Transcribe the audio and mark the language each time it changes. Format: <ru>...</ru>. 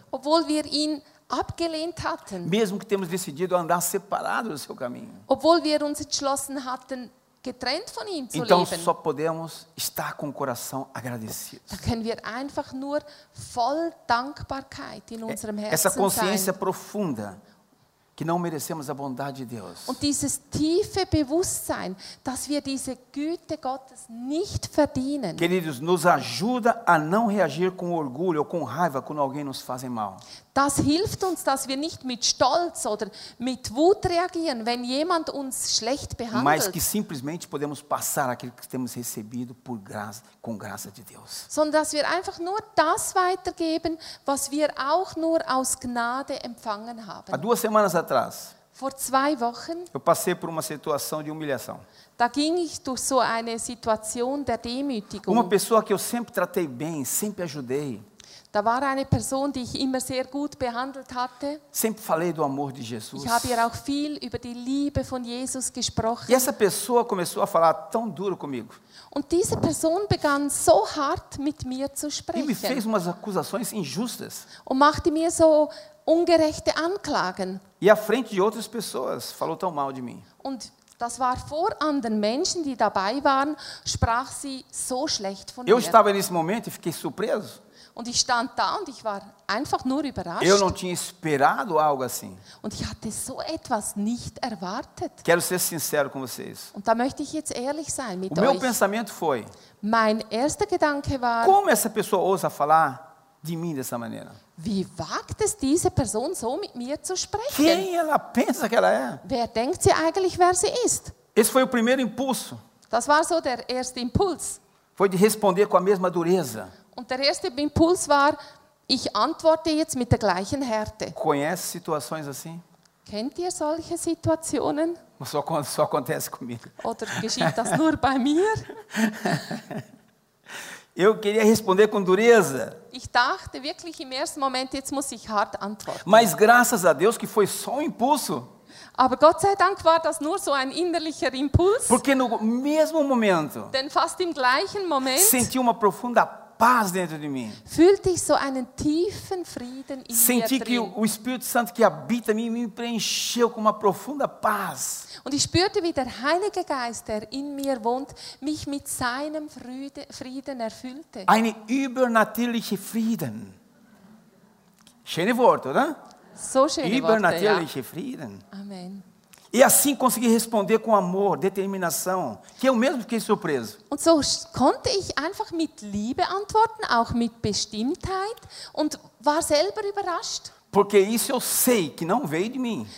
<de>Obwohl wir ihn abgelehnt hatten.</de> <pt>Mesmo que temos decidido andar separado do seu caminho.</pt> <de>Obwohl wir uns entschlossen hatten, getrennt von ihm zu</de> <pt>então,</pt> <de>leben.</de> <pt>Só podemos estar com o coração agradecido.</pt> <de>Da können wir einfach nur voll Dankbarkeit in unserem Herzen</de> <pt>essa consciência profunda que não merecemos a bondade de Deus.</pt> <de>Und dieses tiefe Bewusstsein, dass wir diese Güte Gottes nicht verdienen.</de> <pt>Queridos, nos ajuda a não reagir com orgulho ou com raiva quando alguém nos faz mal.</pt> <de>Das hilft uns, dass wir nicht mit Stolz oder mit Wut reagieren, wenn jemand uns schlecht behandelt.</de> <pt>Mas que simplesmente podemos passar aquilo que temos recebido por graça, com graça de Deus.</pt> <de>Sondern dass wir einfach nur das weitergeben, was wir auch nur aus Gnade empfangen haben.</de> <pt>Há duas semanas atrás.</pt> <de>Vor zwei Wochen.</de> <pt>Eu passei por uma situação de humilhação.</pt> <de>Da ging ich durch so eine Situation der Demütigung.</de> <pt>Uma pessoa que eu sempre tratei bem, sempre ajudei.</pt> <de>Da war eine Person, die ich immer sehr gut behandelt hatte.</de> <pt>Sempre falei do amor de Jesus.</pt> <de>Ich habe ihr auch viel über die Liebe von Jesus gesprochen.</de> <pt>E essa pessoa começou a falar tão duro comigo.</pt> <de>Und diese Person begann so hart mit mir zu sprechen.</de> <pt>E me fez umas acusações injustas.</pt> <de>Und machte mir so ungerechte Anklagen.</de> <pt>E à frente de outras pessoas falou tão mal de mim.</pt> <de>Und das war vor anderen Menschen, die dabei waren, sprach sie so schlecht von mir.</de> <pt>Eu estava nesse momento e fiquei surpreso.</pt> <de>Und ich stand da und ich war einfach nur überrascht.</de> <pt>Eu não tinha esperado algo assim.</pt> <de>Und ich hatte so etwas nicht erwartet.</de> <pt>Quero ser sincero com vocês.</pt> <de>Und da möchte ich jetzt ehrlich sein mit euch.</de> <pt>O meu pensamento foi.</pt> <de>Mein erster Gedanke war.</de> <pt>Como essa pessoa ousa falar de mim dessa maneira?</pt> <de>Wie wagt es diese Person so mit mir zu sprechen?</de> <pt>Quem ela pensa que ela é?</pt> <de>Wer denkt sie eigentlich, wer sie ist?</de> <pt>Esse foi o primeiro impulso.</pt> <de>Das war so der erste Impuls.</de> <pt>Foi de responder com a mesma dureza.</pt> <de>Und der erste Impuls war, ich antworte jetzt mit der gleichen Härte.</de> <pt>Conhece situações assim?</pt> <de>Kennt ihr solche Situationen?</de> <pt>Só acontece comigo.</pt> <de>Oder geschieht das nur bei mir?</de> <pt>Eu queria responder com dureza.</pt> <de>Ich dachte wirklich im ersten Moment, jetzt muss ich hart antworten.</de> <pt>Mas graças a Deus que foi só um impulso.</pt> <de>Aber Gott sei Dank war das nur so ein innerlicher Impuls.</de> <pt>Porque no mesmo momento.</pt> <de>Denn fast im gleichen Moment.</de> <pt>Senti uma profunda paz dentro de mim.</pt> <de>Fühlte ich so einen tiefen Frieden in</de> <pt>senti</pt> <de>drin.</de> <pt>O Espírito Santo que habita em mim me preencheu com uma profunda paz.</pt> <de>Und ich spürte, wie der Heilige Geist, der in mir wohnt, mich mit seinem Frieden erfüllte. Eine übernatürliche Frieden. Schöne Worte, oder? So schöne Worte, übernatürliche ja. Frieden. Amen.</de> <pt>E assim consegui responder com amor, determinação, que eu mesmo fiquei surpreso.</pt> <de>Und so konnte ich einfach mit Liebe antworten, auch mit Bestimmtheit, und war selber überrascht.</de> <pt>Porque isso eu sei que não veio de mim.</pt>